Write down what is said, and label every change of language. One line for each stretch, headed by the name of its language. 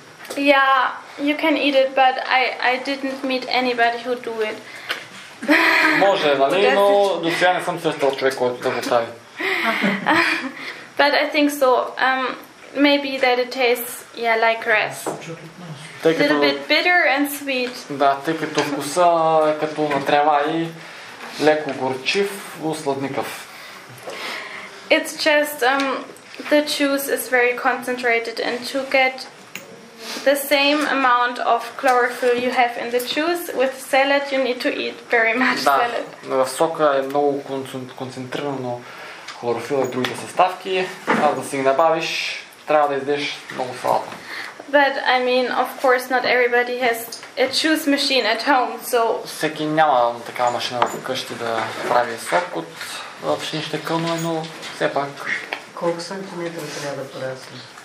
English: Yeah, you can eat it, but I didn't meet anybody who do it.
Bulgarian: Може, нали? Но до сега не съм срещал човек, който да го прави.
English: But I think so. Maybe that it tastes, yeah, like grass. little bit bitter and sweet.
Bulgarian: Да, тъй като вкуса е като на трева и леко горчив, усладникав.
English: It's just the juice is very concentrated, and to get the same amount of chlorophyll you have in the juice with salad, you need to eat very much salad.
Bulgarian: Да, сока е много концентрирано хлорофила и другите съставки, а да си ги набавиш, трябва да издеш много салата.
English: But I mean, of course, not everybody has a juice machine at home, so...
Bulgarian: Всеки няма такава машина в къщи да прави сок от пшеничните кълнове, но все пак... Колко сантиметра трябва да порасне?